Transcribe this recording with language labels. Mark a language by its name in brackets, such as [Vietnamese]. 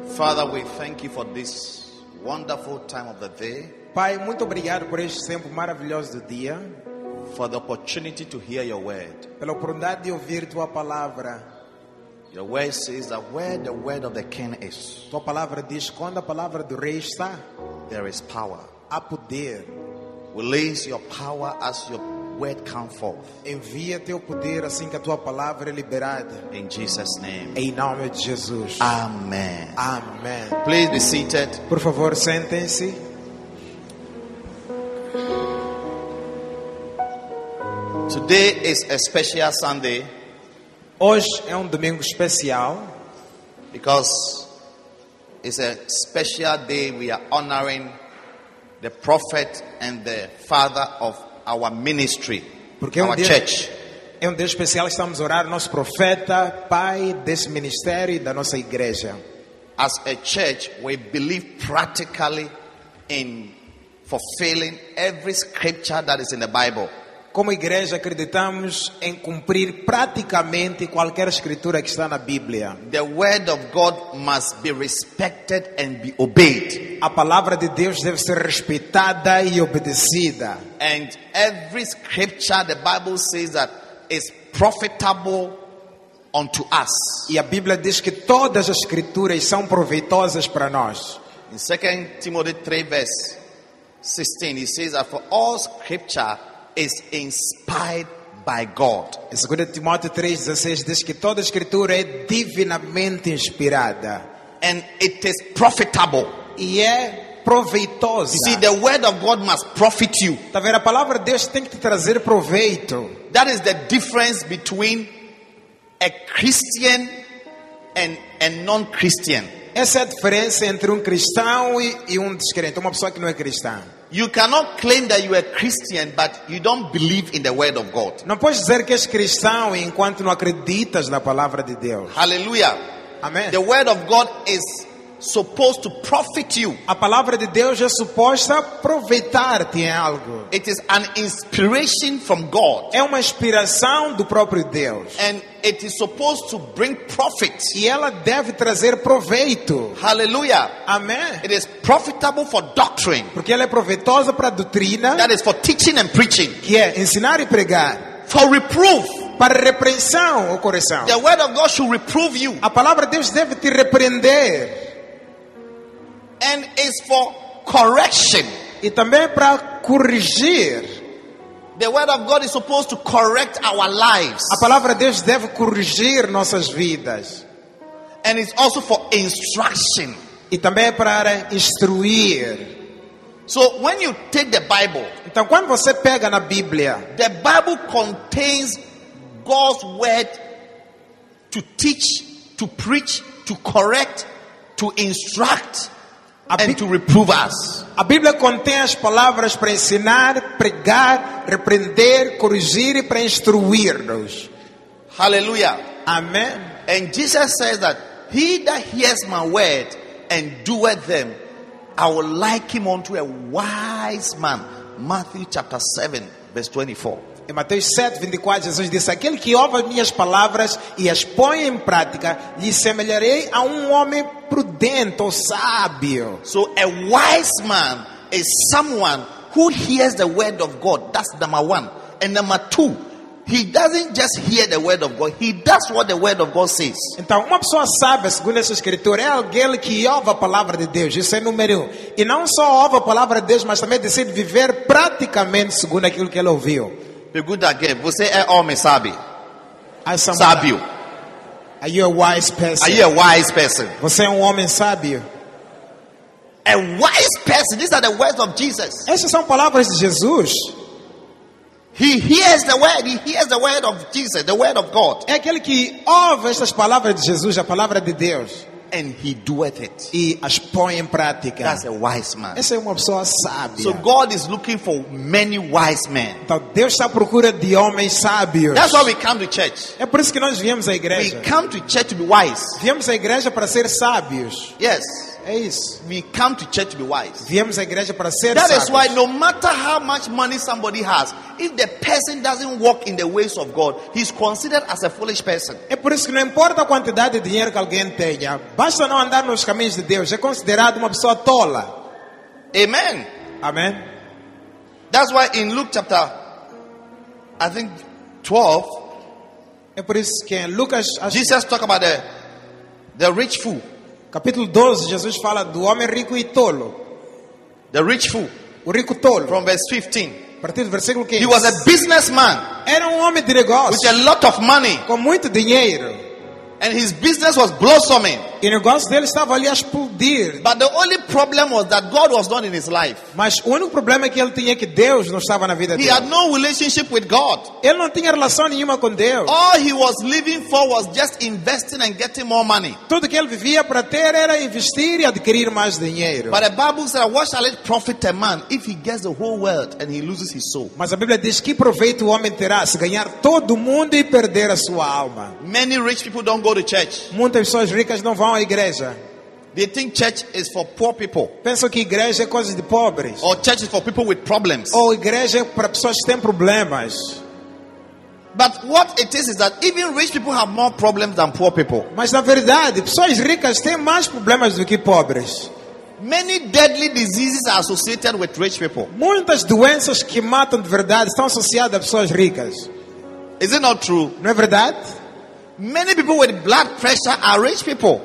[English] Father, we thank you for this wonderful time of the day. [Portuguese] Pai, muito obrigado por este tempo maravilhoso do dia. [English] For the opportunity to hear your word. [Portuguese] Pela oportunidade de ouvir tua palavra. [English] Your word says that where the word of the king is. [Portuguese] Tua palavra diz quando a palavra do rei está. [English] There is power. [Portuguese] Há poder. [English] Release your power as your word comes forth. [Portuguese] Envia teu poder assim que a tua palavra é liberada. [English] In Jesus' name. [Portuguese] Em nome de Jesus. [English] Amen. [Portuguese] Amen. [English] Please be seated. [Portuguese] Por favor, sentem-se. [English] Today is a special Sunday. [Portuguese] Hoje é domingo especial. [English] Because it's a special day we are honoring the prophet and the father of our ministry, [Portuguese] porque [English] our church. [Portuguese] É dia especial, estamos a orar nosso profeta, pai desse ministério e da nossa igreja. [English] As a church, we believe practically in fulfilling every scripture that is in the Bible. [Portuguese] Como igreja, acreditamos em cumprir praticamente qualquer escritura que está na Bíblia. [English] The word of God must be respected and be obeyed. [Portuguese] A palavra de Deus deve ser respeitada e obedecida. [English] And every scripture the Bible says that is profitable unto us. [Portuguese] E a Bíblia diz que todas as escrituras são proveitosas para nós. [English] In 2 Timothy 3 verse 16, it says that for all scripture is inspired by God. [Portuguese] Em 2 Timóteo 3:16 diz que toda escritura é divinamente inspirada. [English] And it is profitable. [Portuguese] E é proveitosa. [English] You see, the word of God must profit you. [Portuguese] Tá vendo? A palavra de Deus tem que te trazer proveito. [English] That is the difference between a Christian and a non-Christian. [Portuguese] Essa é a diferença entre cristão e descrente, uma pessoa que não é cristã. [English] You cannot claim that you are Christian but you don't believe in the word of God. [Portuguese] Não podes dizer que és cristão enquanto não acreditas na palavra de Deus. [English] Hallelujah. [Portuguese] Amen. [English] The word of God is supposed to profit you. [Portuguese] A palavra de Deus é suposta aproveitar-te em algo. [English] It is an inspiration from God. [Portuguese] É uma inspiração do próprio Deus. [English] And it is supposed to bring profit. [Portuguese] E ela deve trazer proveito. [English] Hallelujah. [Portuguese] Amen. [English] It is profitable for doctrine. [Portuguese] Porque ela é proveitosa para doutrina. [English] That is for teaching and preaching. [Portuguese] Que é ensinar e pregar. [English] For reproof. [Portuguese] Para repreensão ou correção. [English] The word of God should reprove you. [Portuguese] A palavra de Deus deve te repreender. [English] And is for correction. [Portuguese] E também para corrigir. [English] The word of God is supposed to correct our lives. [Portuguese] A palavra de Deus deve corrigir nossas vidas. [English] And is also for instruction. [Portuguese] E também para instruir. [English] So when you take the Bible, [Portuguese] então quando você pega na Bíblia, [English] the Bible contains God's word to teach, to preach, to correct, to instruct. And to reprove us. [Portuguese] A Bíblia contém as palavras para ensinar, pregar, repreender, corrigir e para instruir-nos. [English] Hallelujah. [Portuguese] Amen. [English] And Jesus says that he that hears my word and doeth them, I will like him unto a wise man. Matthew chapter 7 verse 24. [Portuguese] Em Mateus 7:24, Jesus disse: aquele que ouve as minhas palavras e as põe em prática, lhe semelharei a homem prudente ou sábio. [English] So a wise man is someone who hears the word of God. That's number one. And number two, he doesn't just hear the word of God, he does what the word of God says. [Portuguese] Então, uma pessoa sábia, segundo essa escritura, é alguém que ouve a palavra de Deus. Isso é número um. E não só ouve a palavra de Deus, mas também decide viver praticamente segundo aquilo que ele ouviu. Pergunta aqui, você é homem sábio? Ah, sábio. [English] Are you a wise person? Are you a wise person? [Portuguese] Você é homem sábio? [English] A wise person. These are the words of Jesus. [Portuguese] Essas são palavras de Jesus. [English] He hears the word. He hears the word of Jesus, the word of God. [Portuguese] É aquele que ouve essas palavras de Jesus, a palavra de Deus. [English] And he doeth it. [Portuguese] E as põe em prática. [English] That's a wise man. [Portuguese] Essa é uma pessoa sábia. [English] So God is looking for many wise men. [Portuguese] Então Deus está procura de homens sábios. [English] That's why we come to church. [Portuguese] É por isso que nós viemos à igreja. [English] We come to church to be wise. [Portuguese] Viemos à igreja para ser sábios. [English] Yes. [Portuguese] É isso. [English] We come to church to be wise. [Portuguese] Viemos à igreja para ser sábios. [English] That is why no matter how much money somebody has, if the person doesn't walk in the ways of God, he's considered as a foolish person. [Portuguese] É por isso que não importa a quantidade de dinheiro que alguém tenha, basta não andar nos caminhos de Deus, é considerado uma pessoa tola. [English] Amen. [Portuguese] Amen. [English] That's why in Luke chapter, I think 12, [Portuguese] é por isso que em Lucas, [English] Jesus talk about the rich fool. [Portuguese] Capítulo 12, Jesus fala do homem rico e tolo. [English] The rich fool. [Portuguese] O rico tolo. [English] From verse 15. [Portuguese] A partir do versículo 15. [English] He was a businessman. [Portuguese] Era homem de negócios. [English] With a lot of money. [Portuguese] Com muito dinheiro. [English] And his business was blossoming. [Portuguese] E o negócio dele estava ali a explodir. [English] But the only problem was that God was not in his life. [Portuguese] Mas o único problema que ele tinha é que Deus não estava na vida dele. [English] He had no relationship with God. [Portuguese] Ele não tinha relação nenhuma com Deus. [English] All he was living for was just investing and getting more money. [Portuguese] Tudo que ele vivia para ter era investir e adquirir mais dinheiro. [English] But the Bible says, what shall it profit a man if he gets the whole world and he loses his soul? [Portuguese] Mas a Bíblia diz que proveito o homem terá se ganhar todo o mundo e perder a sua alma. [English] Many rich people don't go to church. [Portuguese] Muitas pessoas ricas não vão à igreja. [English] They think church is for poor people. [Portuguese] Pensam que igreja é coisa de pobres. [English] Or church is for people with problems. [Portuguese] Ou igreja é para pessoas que têm problemas. [English] But what it is that even rich people have more problems than poor people. [Portuguese] Mas na verdade, pessoas ricas têm mais problemas do que pobres. [English] Many deadly diseases are associated with rich people. [Portuguese] Muitas doenças que matam de verdade estão associadas a pessoas ricas. [English] Is it not true? [Portuguese] Não é verdade? [English] Many people with blood pressure are rich people.